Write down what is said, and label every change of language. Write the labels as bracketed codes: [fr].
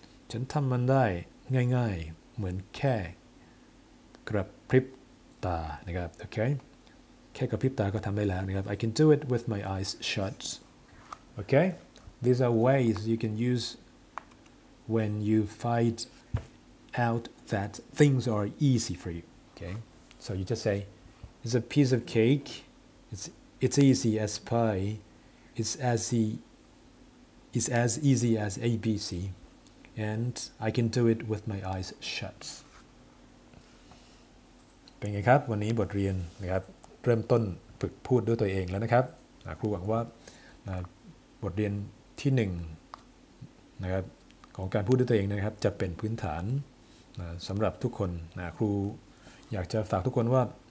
[th] ฉันทำมันได้ง่ายๆเหมือนแค่กระพริบตานะครับ okay? แค่กระพริบตาก็ทำได้แล้วนะครับ [en] I can do it with my eyes shut. Okay, these are ways you can use when you find out that things are easy for you. Okay, so you just say, it's a piece of cake, it's easy as pie, it's as easy as ABC, and I can do it with my eyes shut. [th] เป็นไงครับวันนี้บทเรียนนะครับเริ่มต้นฝึกพูดด้วยตัวเองแล้วนะครับครูหวังว่าบทเรียนที่หนึ่งนะครับของการพูดด้วยตัวเองนะครับจะเป็นพื้นฐานสำหรับทุกคนนะครูอยากจะฝากทุกคนว่า